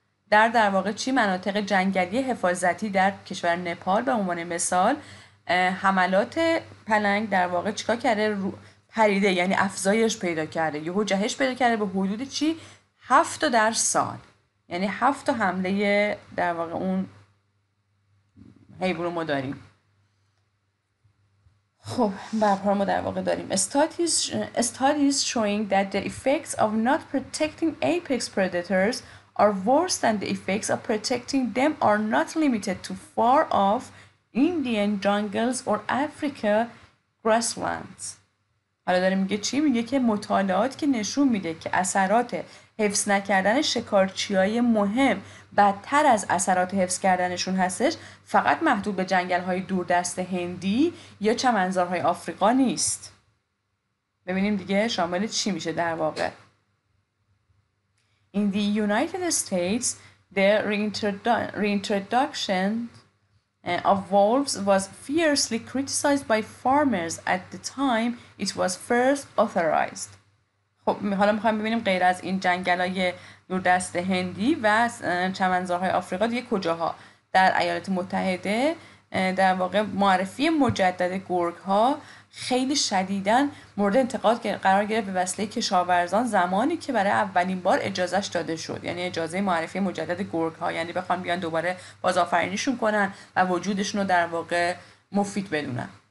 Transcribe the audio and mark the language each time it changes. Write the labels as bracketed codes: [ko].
[fa] در واقع چی؟ مناطق جنگلی حفاظتی در کشور نپال به عنوان مثال، حملات پلنگ در واقع چیکار کرده؟ پریده، یعنی افزایش پیدا کرده، یهو جهش پیدا کرده به حدود چی؟ 7 در سال، یعنی 7 حمله در واقع اون حیوان رو ما داریم. خب برپرام رو در واقع داریم. [en] Studies showing that the effects of not protecting apex predators are worse than the effects of protecting them are not limited to far off Indian jungles or Africa grasslands. [fa] حالا داره میگه چی؟ میگه که مطالعات که نشون میده که اثرات حفظ نکردن شکارچیای مهم بدتر از اثرات حفظ کردنشون هستش، فقط محدود به جنگل‌های دوردست هندی یا چمنزارهای آفریقا نیست. ببینیم دیگه شامل چی میشه در واقع. [en] In the United States, the reintroduction of wolves was fiercely criticized by farmers at the time it was first authorized. [fa] خب حالا میخوایم ببینیم غیر از این جنگل‌های دوردست هندی و چمنزارهای آفریقا دیگه کجاها در ایالات متحده در واقع معرفی مجدد گرگ‌ها خیلی شدیداً مورد انتقاد قرار گرفت به وسیله کشاورزان زمانی که برای اولین بار اجازهش داده شد، یعنی اجازه معرفی مجدد گرگ‌ها، یعنی بخوان بیان دوباره بازآفرینیشون کنن و وجودشون رو در واقع مفید بدونن.